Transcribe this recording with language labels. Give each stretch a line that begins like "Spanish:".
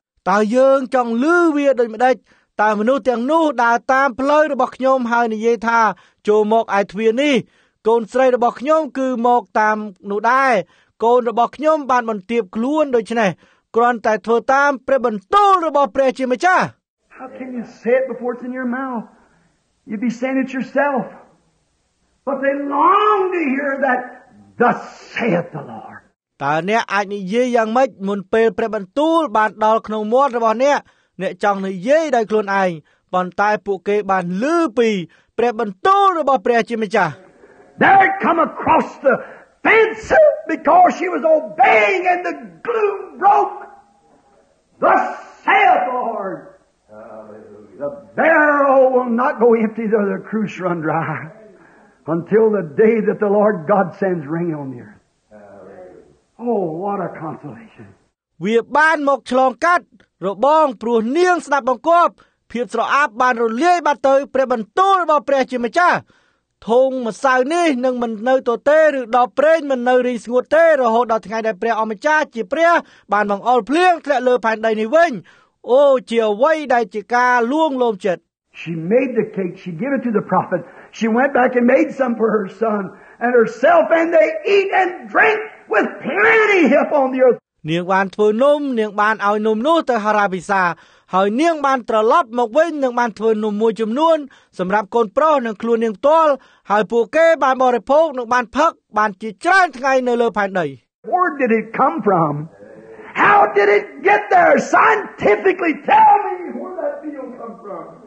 Khmer: តើយើងចង់ឮវាដូចម្តេចតើមនុស្សទាំងនោះដើរតាមផ្លូវរបស់ខ្ញុំហើយនិយាយថាចូលមកឯទ្វារនេះកូនស្រីរបស់ខ្ញុំគឺមកតាមនោះដែរកូនរបស់ខ្ញុំបានបន្ទាបខ្លួនដូច្នេះគ្រាន់តែធ្វើតាមព្រះបន្ទូលរបស់ព្រះជាម្ចាស់
English: How can you say it before it's in your mouth? You'd be saying it yourself. But they long to hear that thus saith the Lord.
Khmer: តើអ្នកអាចនិយាយយ៉ាងម៉េចមុនពេលព្រះបន្ទូលបានដល់ក្នុងមាត់របស់អ្នកអ្នកចង់និយាយដោយខ្លួនឯងប៉ុន្តែពួកគេបានឮពីព្រះបន្ទូលរបស់ព្រះជាម្ចាស់
English: There come across the fence because she was obeying and the gloom broke. Thus saith the Lord. Hallelujah. The barrel will not go empty though the cruse run dry until the day that the Lord God sends rain on the earth. Hallelujah. Oh, what a consolation.
Khmer: វាបានមកឆ្លងកាត់របងព្រោះនាងស្ដាប់បង្គាប់ភាពស្រអាប់បានរលាយបាត់ទៅព្រះបន្ទូលរបស់ព្រះជាម្ចាស់ធុងម្សៅនេះនឹងមិននៅទទេឬដល់ប្រេងមិននៅរីងស្ងួតទេរហូតដល់ថ្ងៃដែលព្រះអម្ចាស់ជាព្រះបានបង្អុលភ្លៀងធ្លាក់លើផែនដីនេះវិញអូជាអ្វីដែលជាការលួងលោមចិត្ត
English: She made the cake she gave it to the prophet she went back and made some for her son and herself and they eat and drink with plenty upon the earth
Khmer: នាងបានធ្វើនំនាងបានឲ្យនំនោះទៅហារ៉ាវិសាហើយនាងបានត្រឡប់មកវិញនឹងបានធ្វើនំមួយចំនួនសម្រាប់កូនប្រុសនិងខ្លួននាងផ្ទាល់ហើយពួកគេបានបរិភោគនិងបានផឹកបានជាច្រើនថ្ងៃនៅលើផែនដី
English: Where did it come from? How did it get there? Scientifically tell me where that field come from.